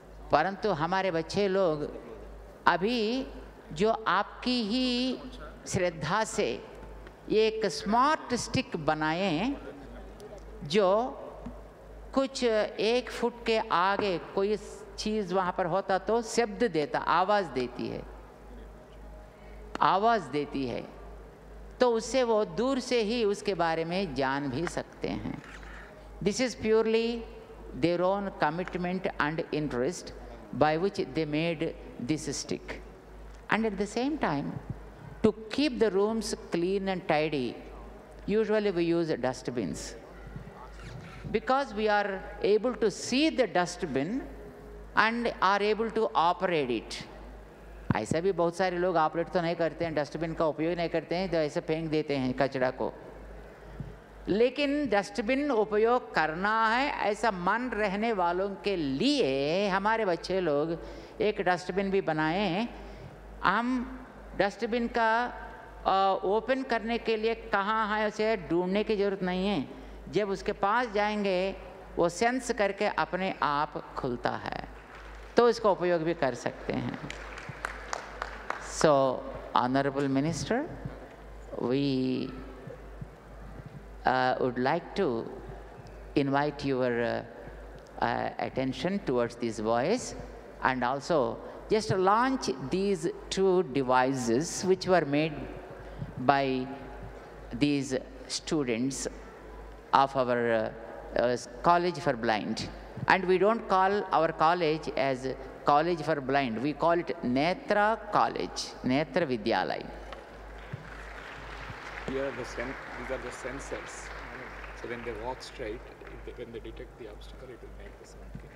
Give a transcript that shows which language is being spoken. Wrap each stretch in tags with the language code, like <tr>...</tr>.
<hi>परंतु हमारे बच्चे लोग अभी जो आपकी ही श्रद्धा से एक स्मार्ट स्टिक बनाएं, जो कुछ एक फुट के आगे कोई चीज़ वहाँ पर होता तो शब्द देता, आवाज़ देती है, आवाज़ देती है, तो उससे वो दूर से ही उसके बारे में जान भी सकते हैं.</hi> <en>This is purely their own commitment and interest by which they made this stick. And at the same time to keep the rooms clean and tidy, usually we use dustbins. Because we are able to see the dustbin and are able to operate it.</en> <hi>ऐसे भी बहुत सारे लोग operate तो नहीं करते हैं, dustbin का उपयोग नहीं करते हैं, तो ऐसे फेंक देते हैं कचरा को. लेकिन डस्टबिन उपयोग करना है ऐसा मन रहने वालों के लिए हमारे बच्चे लोग एक डस्टबिन भी बनाए. हम डस्टबिन का ओपन करने के लिए कहाँ है उसे ढूंढने की जरूरत नहीं है, जब उसके पास जाएंगे वो सेंस करके अपने आप खुलता है, तो इसको उपयोग भी कर सकते हैं.</hi> <en>So honourable minister, we would like to invite your attention towards this voice and also just launch these two devices which were made by these students of our college for blind. And we don't call our college as college for blind, we call it Netra College, Netra Vidyalaya. These are the sensors. So when they walk straight, when they detect the obstacle, it will make the sound.</en>